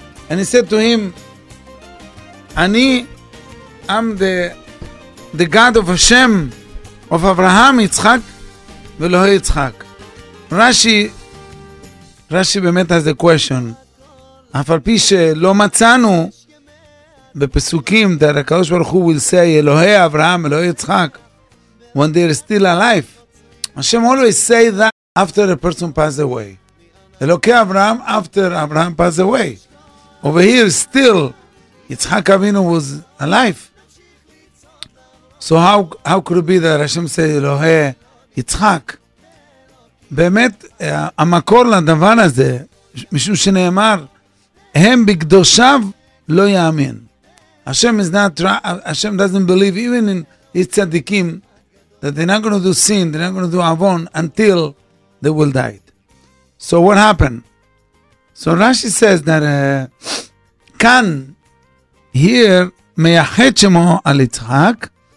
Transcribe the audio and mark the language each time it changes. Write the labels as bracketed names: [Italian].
[English] And he said to him, אני, I'm the God of השם, of אברהם, יצחק, ואלוהי יצחק. רשי באמת has a question. [Hebrew] אף על פי שלא מצאנו בפסוקים that הקדוש ברוך הוא [English] will say [Hebrew] אלוהי אברהם, אלוהי יצחק [English] when they are still alive. השם always say that after a person passed away. אלוקי אברהם after אברהם passed away. Over here still יצחק אבינו was alive. So how could it be that השם say אלוהי יצחק? [Hebrew] באמת, המקור לדבר הזה, משהו שנאמר, הם בקדושיו לא יאמין. [English] Hashem is not, Hashem doesn't believe even in his tzaddikim that they're not going to do sin, they're not going to do avon until they will die. So what happened? So Rashi says that כאן, here, [Hebrew] מייחד שמו על יצחק.